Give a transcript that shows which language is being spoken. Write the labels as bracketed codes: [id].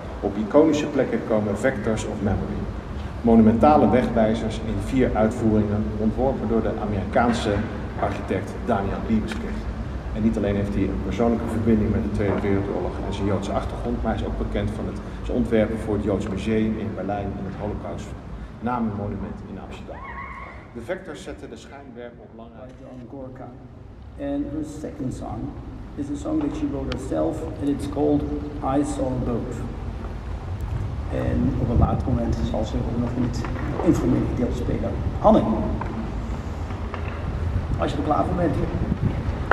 [nl] Op iconische plekken komen vectors of memory. Monumentale wegwijzers in vier uitvoeringen ontworpen door de Amerikaanse architect Daniel Liebeskind. En niet alleen heeft hij een persoonlijke verbinding met de Tweede Wereldoorlog en zijn Joodse achtergrond, maar hij is ook bekend van zijn ontwerpen voor het Joods Museum in Berlijn en het Holocaust-namenmonument in Amsterdam. The vectors zetten de schijnwerpen op belangrijke [en] John Gorka. And her second song is a song that she wrote herself and it's called I Saw a Boat. [nl] En op een later moment zal ze ook nog in het informele deel spelen. Hanne, als je er klaar voor bent.